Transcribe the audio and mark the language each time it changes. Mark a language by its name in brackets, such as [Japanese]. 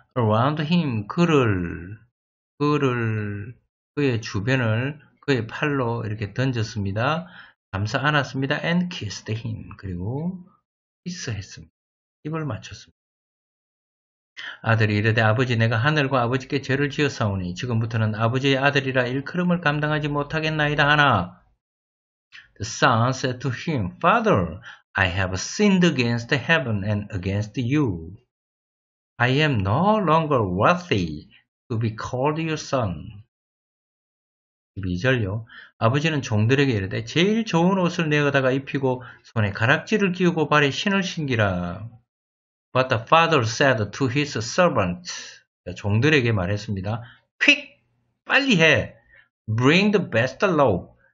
[English] Around him, [Korean] 그를 그의 주변을 그의 팔로 이렇게 던졌습니다. 감싸 안았습니다. [English] And kissed him. [Korean] 그리고 kiss했습니다. 입을 맞췄습니다. 아들이 이르되 아버지 내가 하늘과 아버지께 죄를 지었사오니 지금부터는 아버지의 아들이라 일컬음을 감당하지 못하겠나이다 하나. [English] The son said to him, Father, I have sinned against heaven and against you. I am no longer worthy to be called your son. [Korean] 2절요. 아버지는 종들에게 이르되 제일 좋은 옷을 내어다가 입히고 손에 가락지를 끼우고 발에 신을 신기라. [English] But the father said to his servant. [Korean] 종들에게 말했습니다. [English] Quick! [Korean] 빨리 해! [English] Bring the best robe.